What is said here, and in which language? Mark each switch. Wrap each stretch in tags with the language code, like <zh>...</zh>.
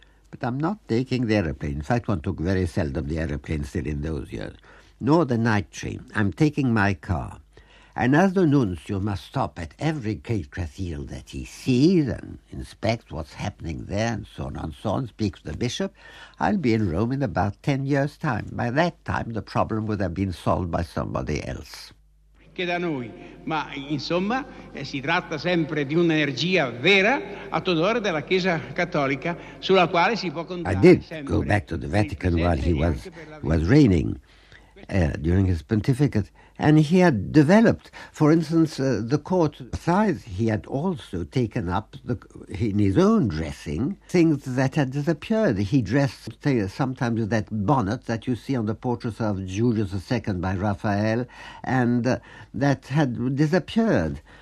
<en>But I'm not taking the aeroplane. In fact, one took very seldom the aeroplane still in those years. Nor the night train. I'm taking my car. And as the nuncio must stop at every great cathedral that he sees and inspects what's happening there and so on, speaks to the bishop, I'll be in Rome in about 10 years' time. By that time, the problem would have been solved by somebody else.</en> <it>Che da noi, ma insomma, si tratta sempre di un'energia vera a tutore della Chiesa Cattolica sulla quale si può contare.</it> <en>I did go back to the Vatican while he was reigning during his pontificate. And he had developed, for instance, the court size. He had also taken up, in his own dressing, things that had disappeared. He dressed sometimes with that bonnet that you see on the portraits of Julius II by Raphael, and that had disappeared.</en>